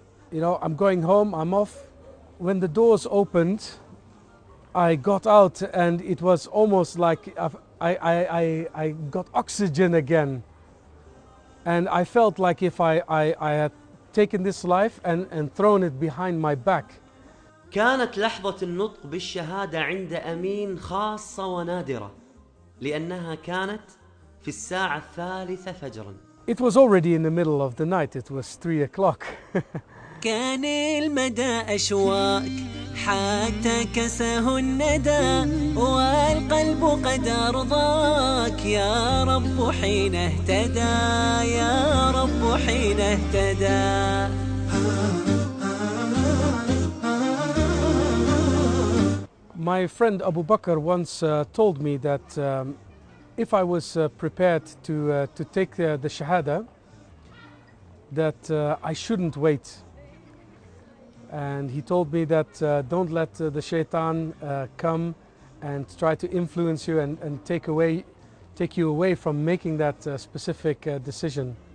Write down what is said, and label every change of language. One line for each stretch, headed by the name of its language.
English: you know, I'm going home, I'm off. When the doors opened, I got out and it was almost like I got oxygen again. And I felt like if I had taken this life and thrown it behind my back.
Arabic: كانت لحظة النطق بالشهادة عند أمين خاصة ونادرة لأنها كانت في الساعة الثالثة فجرا.
English: It was already in the middle of the night. It was 3 o'clock.
Arabic: كان المدى أشواك حتى كسه الندى والقلب قد أرضاك يا رب حين اهتدى يا رب حين اهتدى.
English: My friend Abu Bakr once told me that if I was prepared to take the Shahada, that I shouldn't wait. And he told me that don't let the shaitan come and try to influence you and take you away from making that specific decision.